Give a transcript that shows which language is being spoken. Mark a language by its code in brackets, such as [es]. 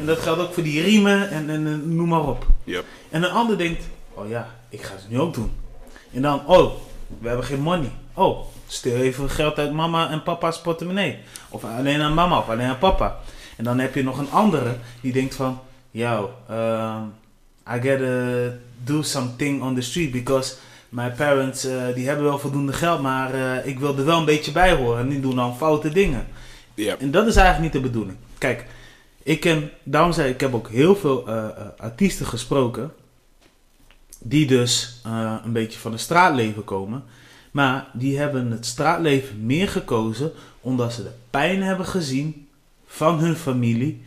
[nl] En dat geldt ook voor die riemen en noem maar op. Yeah. En een ander denkt... Oh ja, ik ga het nu ook doen. En dan, oh, We hebben geen money. Oh, stel even geld uit mama en papa's portemonnee. Of alleen aan mama of alleen aan papa. En dan heb je nog een andere die denkt van... [en] Yo, I gotta do something on the street because... My parents, [nl] die hebben wel voldoende geld, maar ik wil er wel een beetje bij horen. En die doen dan foute dingen. Yep. En dat is eigenlijk niet de bedoeling. Kijk, ik ken, daarom zei ik, heb ook heel veel artiesten gesproken. Die dus een beetje van het straatleven komen. Maar die hebben het straatleven meer gekozen omdat ze de pijn hebben gezien van hun familie.